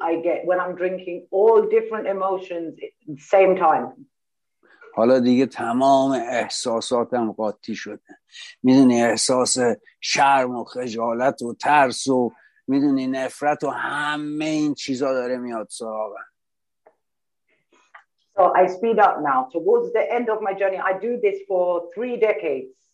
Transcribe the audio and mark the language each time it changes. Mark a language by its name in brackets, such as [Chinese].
[English] I get when I'm drinking all different emotions at the same time. [Persian] حالا دیگه تمام احساساتم قاطی شده. میدونی احساس شرم و خجالت و ترس و میدونی نفرت و همه این چیزا داره میاد سراغم. [English] So I speed up now. Towards the end of my journey, I do this for three decades.